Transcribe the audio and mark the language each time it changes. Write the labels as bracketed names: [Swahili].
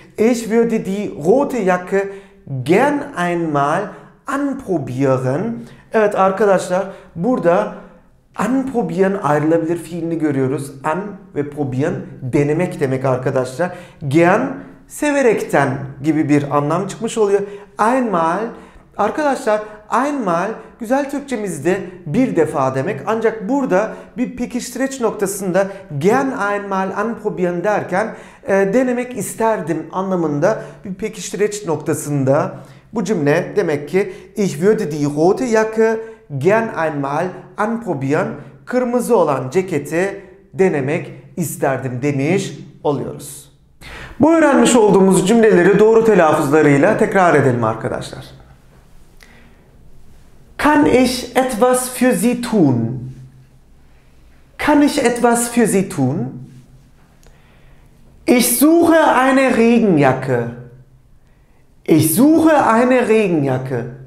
[German] Ich würde die rote Jacke gern einmal anprobieren. [Turkish] Evet arkadaşlar, burada anprobieren ayrılabilir fiilini görüyoruz. An ve probieren denemek demek arkadaşlar. Gern, severekten gibi bir anlam çıkmış oluyor. Einmal, arkadaşlar einmal güzel Türkçemizde bir defa demek. Ancak burada bir pekiştireç noktasında [German] gern einmal anprobieren [Turkish] derken denemek isterdim anlamında bir pekiştireç noktasında bu cümle demek ki [German] ich würde die rote Jacke gern einmal anprobieren, [Turkish] kırmızı olan ceketi denemek isterdim demiş oluyoruz. Bu öğrenmiş olduğumuz cümleleri doğru telaffuzlarıyla tekrar edelim arkadaşlar. [German] Kann ich etwas für Sie tun? Kann ich etwas für Sie tun? Ich suche eine Regenjacke. Ich suche eine Regenjacke.